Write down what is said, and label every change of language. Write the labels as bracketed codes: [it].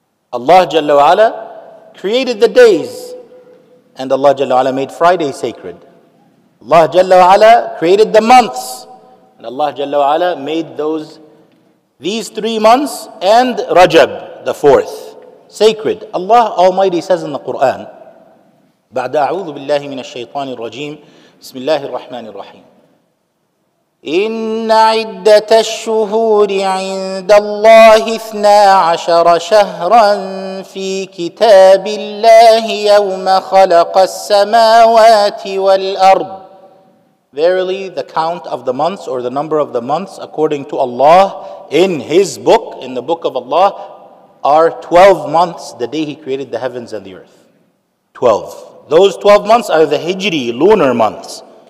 [en] Allah Jalla wa Ala created the days, and Allah Jalla wa Ala made Friday sacred. Allah Jalla wa Ala created the months, and Allah Jalla wa Ala made these 3 months and Rajab, the fourth, sacred. Allah Almighty says in the Quran, [ar] بعد أعوذ بالله من الشيطان الرجيم بسم الله الرحمن الرحيم إن عدة الشهور عند الله 12 شهرا في كتاب الله يوم خلق السماوات والأرض. [en] Verily, the count of the months or the number of the months according to Allah in His book, in the book of Allah, are 12 months, the day He created the heavens and the earth. 12. Those 12 months are the Hijri lunar months.